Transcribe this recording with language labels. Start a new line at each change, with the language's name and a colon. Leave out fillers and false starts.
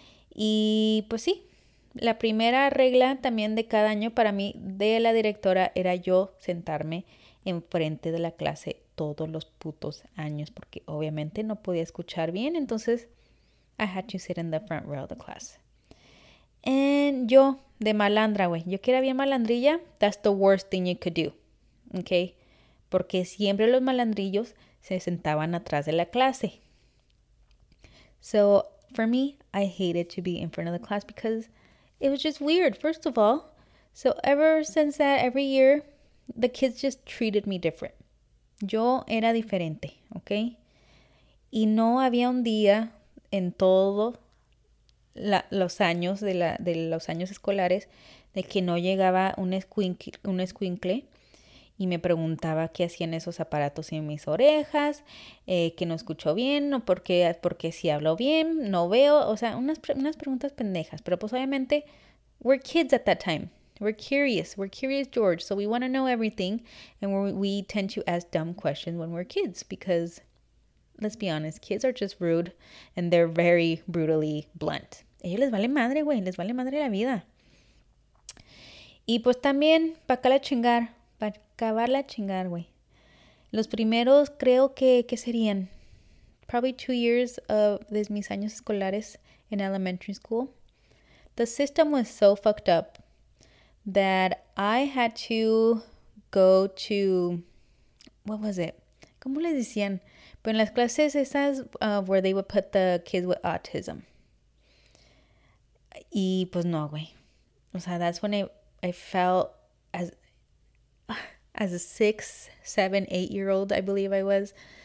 Spanish: Y pues sí, la primera regla también de cada año para mí de la directora era yo sentarme enfrente de la clase todos los putos años, porque obviamente no podía escuchar bien, entonces
English: I had to sit in the front row of the class.
Spanish: And yo, de malandra, güey, yo que era bien malandrilla,
English: that's the worst thing you could do, ok?
Spanish: Porque siempre los malandrillos se sentaban atrás de la clase.
English: So, for me, I hated to be in front of the class because it was just weird, first of all. So, ever since that, every year, the kids just treated me different.
Spanish: Yo era diferente, ¿ok? Y no había un día en todos los años de los años escolares de que no llegaba un escuincle y me preguntaba qué hacían esos aparatos en mis orejas, que no escucho bien, o porque si hablo bien, no veo. O sea, unas preguntas pendejas. Pero pues obviamente,
English: we're kids at that time. We're curious George, so we want to know everything, and we tend to ask dumb questions when we're kids, because, let's be honest, kids are just rude, and they're very brutally blunt.
Spanish: Ellos les vale madre, güey, les vale madre la vida. Y pues también, para acabar la chingar, güey, los primeros creo que serían,
English: probably 2 years of
Spanish: desde mis años escolares
English: in elementary school. The system was so fucked up that I had to go to, what was it?
Spanish: ¿Cómo les decían? Pero en las clases esas
English: where they would put the kids with autism.
Spanish: Y pues no, güey. O sea,
English: that's when I felt as a 6, 7, 8 year old, I believe I was.